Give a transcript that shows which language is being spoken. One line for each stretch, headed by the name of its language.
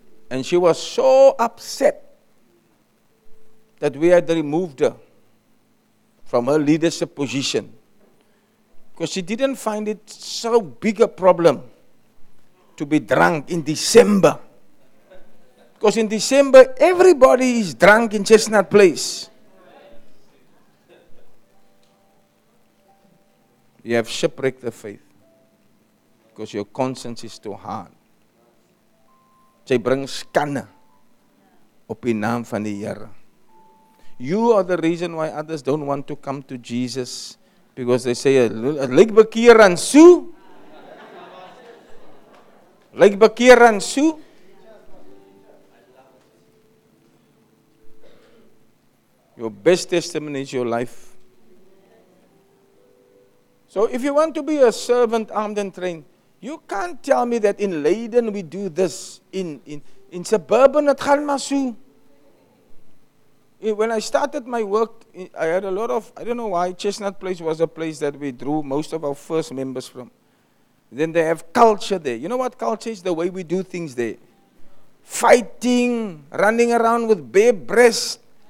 English: And she was so upset that we had removed her from her leadership position, because she didn't find it so big a problem to be drunk in December. Because in December, everybody is drunk in Chestnut Place. You have shipwrecked the faith, because your conscience is too hard.
Afrikaans: Jy bring skande op die naam van die Here.
English: You are the reason why others don't want to come to Jesus, because they say,
Afrikaans: Lyk bekeer en soe. Lyk bekeer en soe.
English: Your best testimony is your life. So if you want to be a servant armed and trained, you can't tell me that in Leiden we do this. In suburban,
Afrikaans: het gaan maar so.
English: When I started my work, I had a lot of, I don't know why, Chestnut Place was a place that we drew most of our first members from. Then they have culture there. You know what culture is? The way we do things there. Fighting, running around with bare breasts.